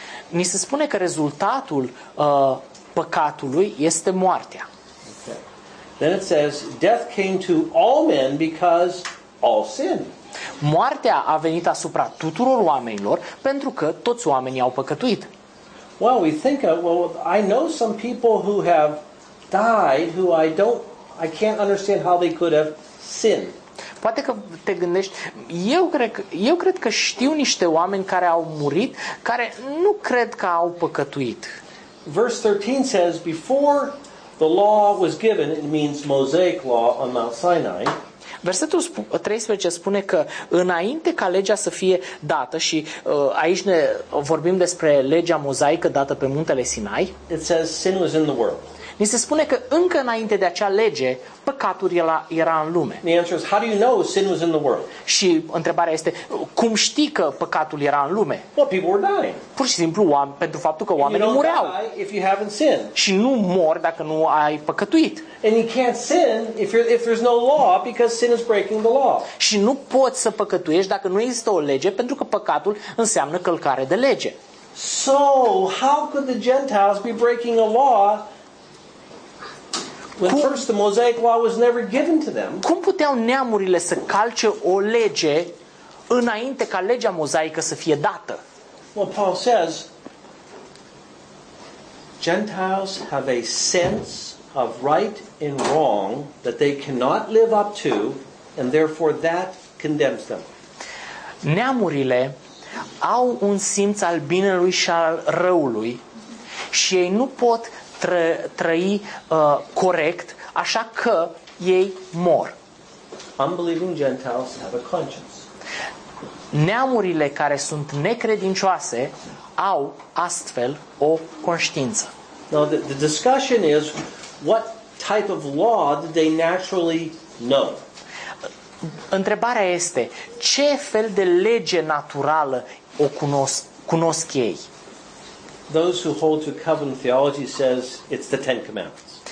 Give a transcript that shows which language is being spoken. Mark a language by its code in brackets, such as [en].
[ro] Ni se spune că rezultatul păcatului este moartea. [en] Okay. Then it says death came to all men because all sin. [ro] Moartea a venit asupra tuturor oamenilor pentru că toți oamenii au păcătuit. [en] Well, we think of, well, I know some people who have died who I can't understand how they could have sinned. [ro] Poate că te gândești, eu cred că știu niște oameni care au murit, care nu cred că au păcătuit. [en] Verse 13 says, before the law was given, it means Mosaic law on Mount Sinai. [ro] Versetul 13 spune că înainte ca legea să fie dată, și aici ne vorbim despre legea mozaică dată pe muntele Sinai, [en] it says sin was in the world. [ro] Ni se spune că încă înainte de acea lege, păcatul era în lume. [en] The answer is, how do you know sin was in the world? [ro] Și întrebarea este, cum știi că păcatul era în lume? [en] Well, people were dying. [ro] Pur și simplu pentru faptul că oamenii mureau. [en] You don't die if you haven't sinned. [ro] Și nu mori dacă nu ai păcătuit. [en] And you can't sin if there's no law because sin is breaking the law. [ro] Și nu poți să păcătuiești dacă nu există o lege, pentru că păcatul înseamnă călcare de lege. [en] So, how could the Gentiles be breaking a law when first the Mosaic law was never given to them? [ro] Cum puteau neamurile să calce o lege înainte ca legea mozaică să fie dată? [en] Well, Paul says, Gentiles have a sense of right and wrong that they cannot live up to, and therefore that condemns them. [ro] Neamurile au un simț al binelui și al răului și ei nu pot trăi corect, așa că ei mor. [en] Unbelieving Gentiles have a conscience. [ro] Neamurile care sunt necredincioase au astfel o conștiință. [en] Now the discussion is what type of law do they naturally know? [ro] Întrebarea este ce fel de lege naturală o cunosc ei. [en] Those who hold to covenant theology says it's the Ten Commandments.